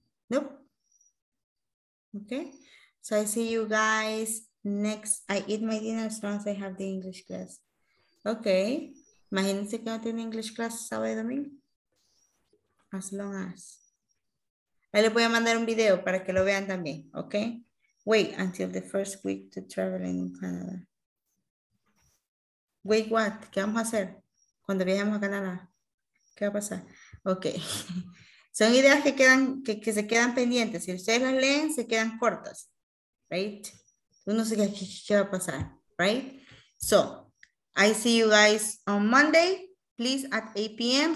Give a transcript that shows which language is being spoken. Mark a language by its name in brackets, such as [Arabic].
[English] No. Okay. So I see you guys next. I eat my dinner as long as I have the English class. Okay. [Spanish] Imagínense que no tiene English class sábado y domingo. [English] As long as. [Spanish] Ahí les voy a mandar un video para que lo vean también. [English] Okay. Wait until the first week to travel in Canada. Wait, what? [Spanish] ¿Qué vamos a hacer cuando viajemos a Canadá? ¿Qué va a pasar? Ok. Son ideas que quedan, que se quedan pendientes. Si ustedes las leen, se quedan cortas. Right? Uno se queda, ¿qué va a pasar? Right? [English] So, I see you guys on Monday. Please, at 8 p.m.